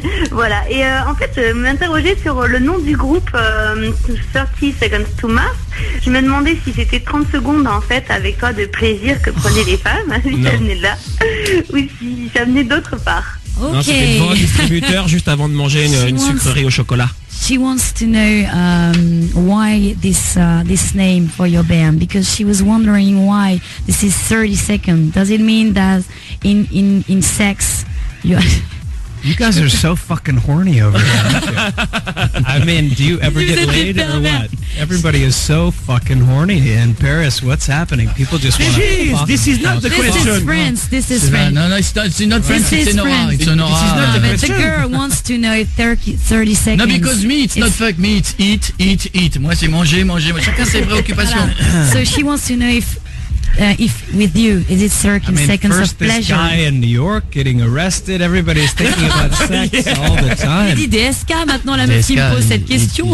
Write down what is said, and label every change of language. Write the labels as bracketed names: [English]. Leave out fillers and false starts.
[French] Voilà, et en fait, je m'interrogeais sur le nom du groupe 30 Seconds to Mars. Je me demandais si c'était 30 secondes, en fait, avec toi, de plaisir que prenaient les femmes, si ça venait de là, ou si ça venait d'autre part. [English] Okay. [French] Non, c'était devant un distributeur juste avant de manger une sucrerie au chocolat. [English] She wants to know why this name for your band, because she was wondering why this is 30 seconds. Does it mean that in sex you guys are so fucking horny over here? I mean, do you ever get laid or what? Everybody is so fucking horny in Paris. What's happening? People just want to fuck. This is not the question. This is France. This is France. No, it's not France. It's in Noir. It's in Noir. This is not the question. The girl wants to know 30 seconds. No, because me, it's not fuck me. It's eat. [French] Moi, c'est manger. Chacun ses préoccupations. [English] So she wants to know if with you, is it 30 seconds first of pleasure? This guy in New York getting arrested. Everybody's thinking about sex all the time. [French] Il dit DSK maintenant, la meuf qui me pose cette question.